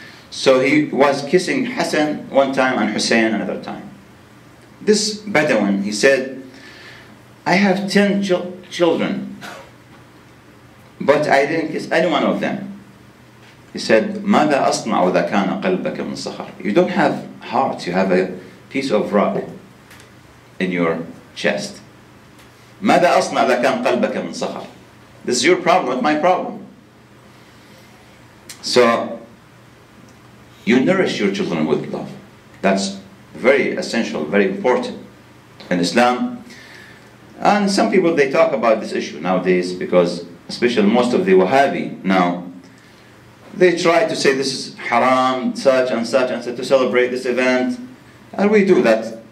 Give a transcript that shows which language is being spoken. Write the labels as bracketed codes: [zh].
[en] So he was kissing Hassan one time and Hussein another time. This Bedouin, he said, I have 10 children, but I didn't kiss any one of them. He said, [ar] ماذا أصنع إذا كان قلبك من صخر? [en] You don't have heart, you have a piece of rock in your chest. [ar] ماذا أصنع إذا كان قلبك من صخر? [en] This is your problem, not my problem. So you nourish your children with love. That's very essential, very important in Islam. And some people, they talk about this issue nowadays, because especially most of the Wahhabi now, they try to say this is haram, such and such and such, to celebrate this event. And we do that.